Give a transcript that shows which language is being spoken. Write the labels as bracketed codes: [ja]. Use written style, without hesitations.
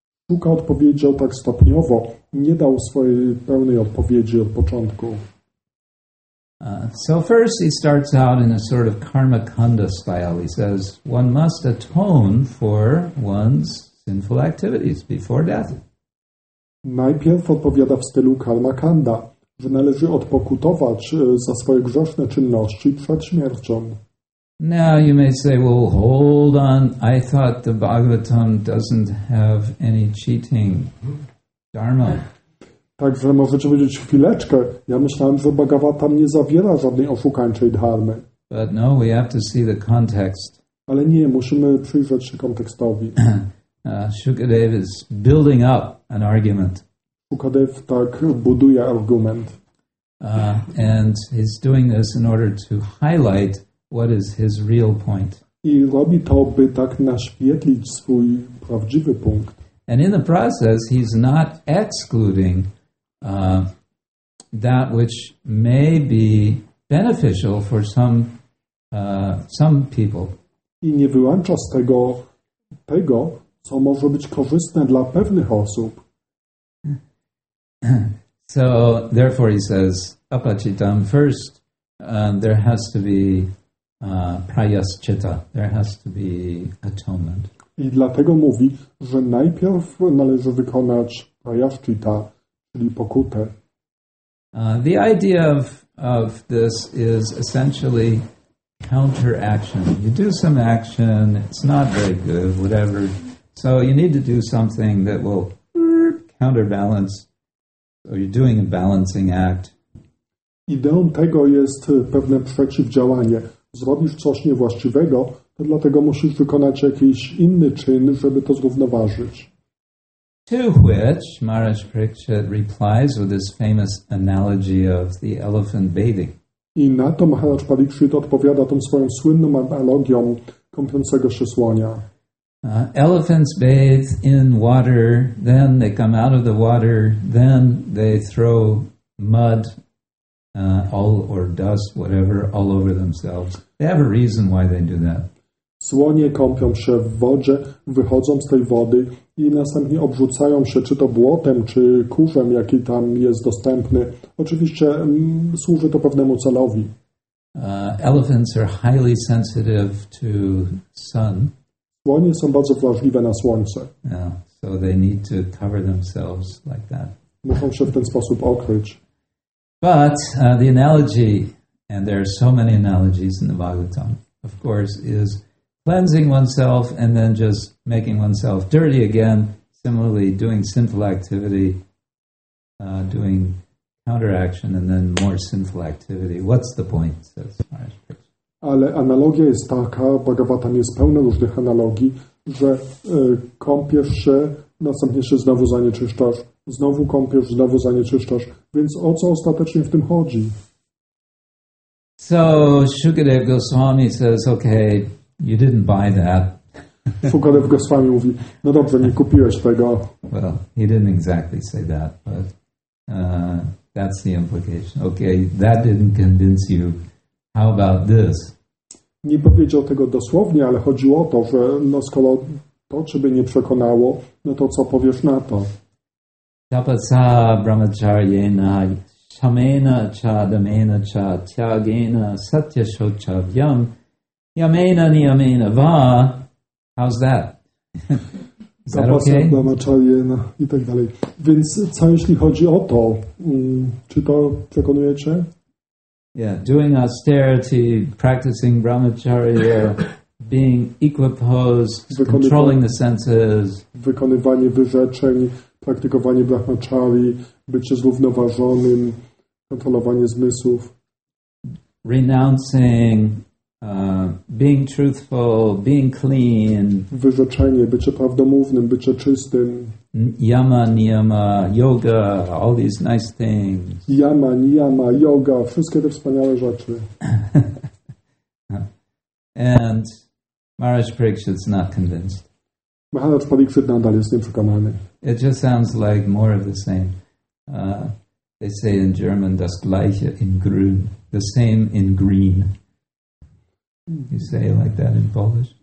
[pl] Shuka odpowiedział tak stopniowo, nie dał swojej pełnej odpowiedzi od początku. [en] So first he starts out in a sort of karmakanda style. He says, one must atone for one's sinful activities before death. [pl] Najpierw odpowiada w stylu karmakanda, że należy odpokutować za swoje grzeszne czynności przed śmiercią. [en] Now you may say, well, hold on, I thought the Bhagavatam doesn't have any cheating dharma. [pl] Także możecie powiedzieć, chwileczkę, ja myślałem, że Bhagavatam nie zawiera żadnej oszukańczej dharmy. [en] But no, we have to see the context. [pl] Ale nie, musimy przyjrzeć się kontekstowi. [en] Shukadev is building up an argument. [pl] Shukadev tak buduje argument. [en] And he's doing this in order to highlight what is his real point. [pl] I robi to, by tak naświetlić swój prawdziwy punkt. [en] And in the process, he's not excluding that which may be beneficial for some people. [pl] I nie wyłącza z tego tego, co może być korzystne dla pewnych osób. [en] So, therefore, he says, apachitam, first, there has to be prayaschitta, there has to be atonement. [pl] I dlatego mówi, że najpierw należy wykonać prayaschitta, czyli pokutę. [en] The idea of this is essentially counteraction. You do some action, it's not very good, whatever. So you need to do something that will counterbalance. So you're doing a balancing act. [pl] Ideą tego jest pewne przeciwdziałanie. Zrobisz coś niewłaściwego, to dlatego musisz wykonać jakiś inny czyn, żeby to zrównoważyć. [en] To which Maharaj Parikshit replies with his famous analogy of the elephant bathing. [pl] I na to Maharaj Parikshit odpowiada tą swoją słynną analogią kąpiącego się słonia. [en] Elephants bathe in water, then they come out of the water, then they throw mud all or dust, whatever, all over themselves. They have a reason why they do that. [pl] Słonie kąpią się w wodzie, wychodzą z tej wody i następnie obrzucają się czy to błotem, czy kurzem, jaki tam jest dostępny. Oczywiście służy to pewnemu celowi. [en] Elephants are highly sensitive to sun. [pl] Słonie są bardzo wrażliwe na słońce. [en] Yeah, so they need to cover themselves like that. [pl] Muszą się w ten sposób okryć. [en] But the analogy, and there are so many analogies in the Bhagavatam, of course, is cleansing oneself and then just making oneself dirty again. Similarly, doing sinful activity, doing counteraction and then more sinful activity. What's the point, says Maharaj Parikshit? [pl] Ale analogia jest taka, Bhagavatam jest pełna różnych analogii, że kąpiesz się, następnie się znowu zanieczyszczasz, znowu kąpiesz, znowu zanieczyszczasz. Więc o co ostatecznie w tym chodzi? [en] So Shukadev Goswami says, okay, you didn't buy that. [pl] Shukadev Goswami mówi, no dobrze, nie kupiłeś tego. [en] Well, he didn't exactly say that, but that's the implication. Okay, that didn't convince you. How about this? [pl] Nie powiedział tego dosłownie, ale chodziło o to, że no skoro to ciebie nie przekonało, no to co powiesz na to? [sa] Tapasa brahmacharyena shamena cha damena cha tyagena satya shocha vyam yamena niyamena va. [en] How's that? Is that okay? [sa] Tapasa brahmacharyena [pl] i tak dalej. Więc co jeśli chodzi o to? Czy to przekonuje cię? [en] Yeah, doing austerity, practicing brahmacharya, being equiposed, controlling the senses. [pl] Wykonywanie wyrzeczeń, praktykowanie brahmacharii, bycie zrównoważonym, kontrolowanie zmysłów. [en] Renouncing, being truthful, being clean. [pl] Wyrzeczenie, bycie prawdomównym, bycie czystym. [en] Yama, niyama, yoga, all these nice things. [pl] Yama, niyama, yoga, wszystkie te wspaniałe rzeczy. [en] And Maharaj Parikshit's not convinced. [pl] Maharaj Parikshit nadal jest nieprzekonany. [en] It just sounds like more of the same. They say in German, [de] das gleiche in grün, [en] the same in green. You say it like that in Polish?